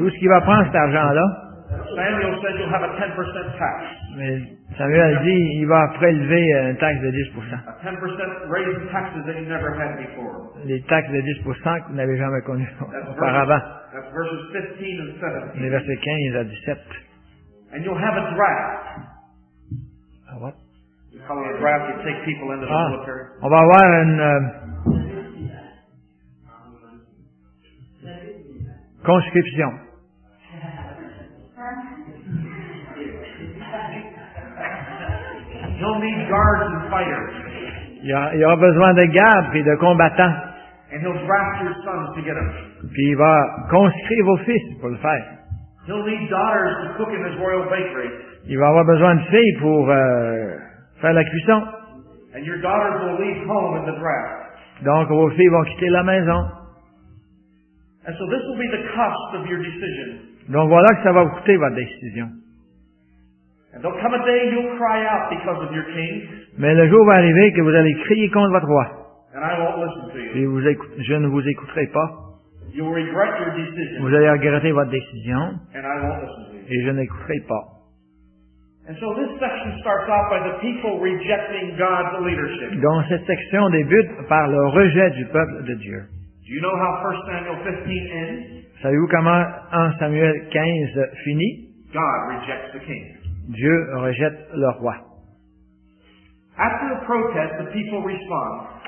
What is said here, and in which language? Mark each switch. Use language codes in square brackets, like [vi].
[fr] Où est-ce qu'il va prendre cet argent-là? [en] Samuel said you'll have a 10% tax. [fr] Mais Samuel a dit il va prélever une taxe de 10%. [en] A 10% raise in taxes that you never had before. [fr] Les taxes de 10% que vous n'avez jamais connues auparavant. [en] That's verses 15 and 17. [fr] Les versets 15 à 17. [en] And you'll have a draft. A what? You call it a draft, you take people into the military. [fr] On va avoir une conscription. [en] He'll need guards and fighters. [fr] Il aura besoin de gardes et de combattants. [en] And he'll draft your sons to get them. [fr] Puis il va conscrire vos fils pour le faire. [en] He'll need daughters to cook in his royal bakery. [fr] Il va avoir besoin de filles pour faire la cuisson. [en] And your daughters will leave home in the draft. [fr] Donc vos filles vont quitter la maison. [en] And so this will be the cost of your decision. [fr] Donc voilà que ça va vous coûter votre décision. [en] And there'll come a day you'll cry out because of your king. [fr] Mais le jour va arriver que vous allez crier contre votre roi. [en] And I won't listen to you. [fr] Et je ne vous écouterai pas. [en] You'll regret your decision. [fr] Vous allez regretter votre décision. [en] And I won't listen to you. [fr] Et je n'écouterai pas. [en] And so this section starts off by the people rejecting God's leadership. [fr] Donc cette section débute par le rejet du peuple de Dieu. [en] Do you know how 1 Samuel 15 ends? [fr] Savez-vous comment 1 Samuel 15 finit? [en] God rejects the king. [fr] Dieu rejette le roi. [en] After the protest, the people respond.